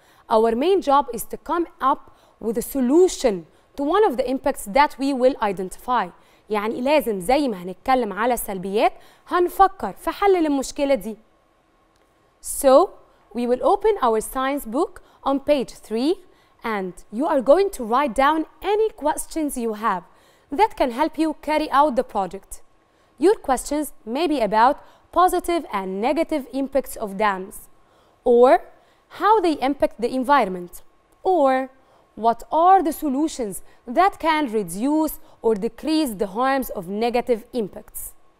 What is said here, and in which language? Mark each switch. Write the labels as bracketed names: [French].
[English] Our main job is to come up with a solution to one of the impacts that we will identify. [Arabic] يعني لازم زي ما هنتكلم على السلبيات هنفكر في حل للمشكلة دي. [English] So, we will open our science book on page 3 and you are going to write down any questions you have that can help you carry out the project. Your questions may be about positive and negative impacts of dams or how they impact the environment, or what are the solutions that can reduce or decrease the harms of negative impacts.